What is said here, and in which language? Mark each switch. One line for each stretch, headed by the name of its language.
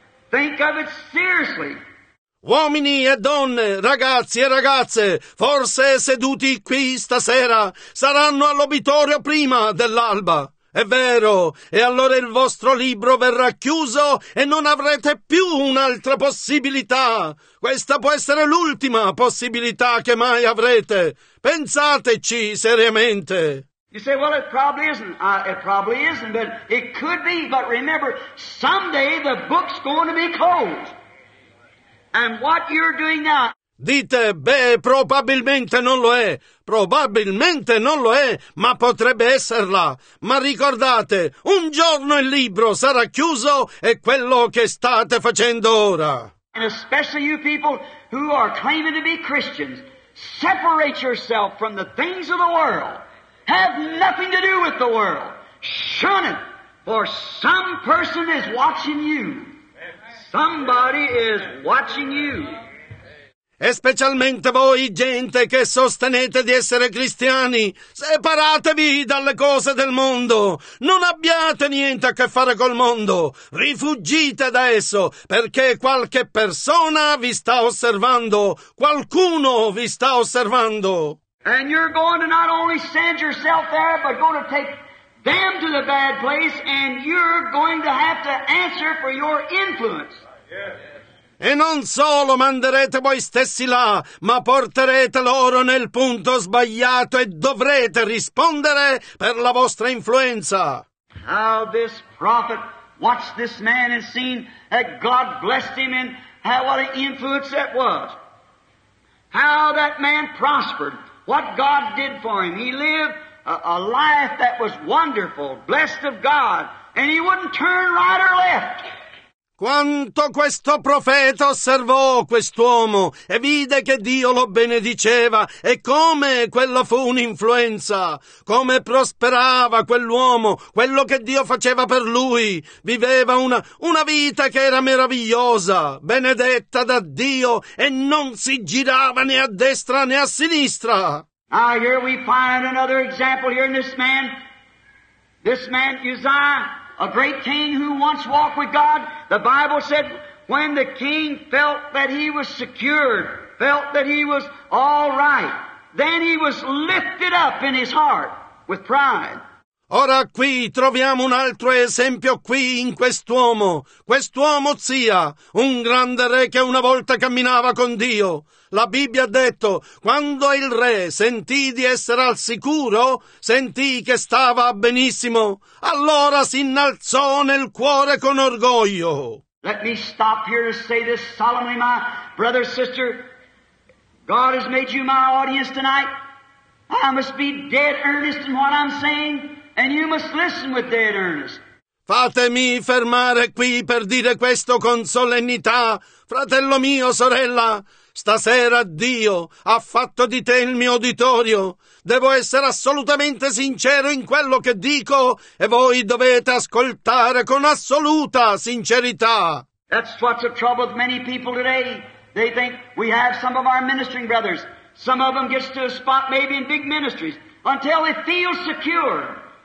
English: Think of it seriously.
Italian: Uomini e donne, ragazzi e ragazze, forse seduti qui stasera, saranno all'obitorio prima dell'alba. È vero, e allora il vostro libro verrà chiuso e non avrete più un'altra possibilità. Questa può essere l'ultima possibilità che mai avrete. Pensateci seriamente.
English: You say, well, it probably isn't. It probably isn't, but it could be. But remember, someday the book's going to be closed. And what you're doing now.
Italian: Dite, beh, probabilmente non lo è. Probabilmente non lo è, ma potrebbe esserla. Ma ricordate, un giorno il libro sarà chiuso e quello che state facendo ora.
English: And especially you people who are claiming to be Christians, separate yourself from the things of the world. Have nothing to do with the world. Shun it. For some person is watching you. Somebody is watching you.
Italian: E specialmente voi, gente che sostenete di essere cristiani, separatevi dalle cose del mondo. Non abbiate niente a che fare col mondo. Rifuggite da esso, perché qualche persona vi sta osservando. Qualcuno vi sta osservando.
English: And you're going to not only send yourself there, but going to take them to the bad place, and you're going to have to answer for your influence.
Italian: E non solo manderete voi stessi là, ma porterete loro nel punto sbagliato e dovrete rispondere per la vostra influenza.
English: How this prophet watched this man and seen that God blessed him, and how what an influence that was. How that man prospered. What God did for him. He lived a life that was wonderful, blessed of God, and he wouldn't turn right or left.
Italian: Quanto questo profeta osservò quest'uomo e vide che Dio lo benediceva e come quella fu un'influenza, come prosperava quell'uomo, quello che Dio faceva per lui. Viveva una vita che era meravigliosa, benedetta da Dio e non si girava né a destra né a sinistra.
English: Ah, here we find another example here in this man Uzziah. A great king who once walked with God, the Bible said, when the king felt that he was secured, felt that he was all right, then he was lifted up in his heart with pride.
Italian: Ora qui troviamo un altro esempio qui in quest'uomo. Quest'uomo Uzzia, un grande re che una volta camminava con Dio. La Bibbia ha detto, quando il re sentì di essere al sicuro, sentì che stava benissimo, allora si innalzò nel cuore con orgoglio.
English: Let me stop here to say this solemnly, my brother, sister. God has made you my audience tonight. I must be dead earnest in what I'm saying. And you must listen with dead earnest.
Italian: Fatemi fermare qui per dire questo con solennità. Fratello mio, sorella, stasera Dio ha fatto di te il mio auditorio. Devo essere assolutamente sincero in quello che dico e voi dovete ascoltare con assoluta sincerità.
English: That's what's the trouble with many people today. They think we have some of our ministering brothers. Some of them gets to a spot maybe in big ministries until they feel secure.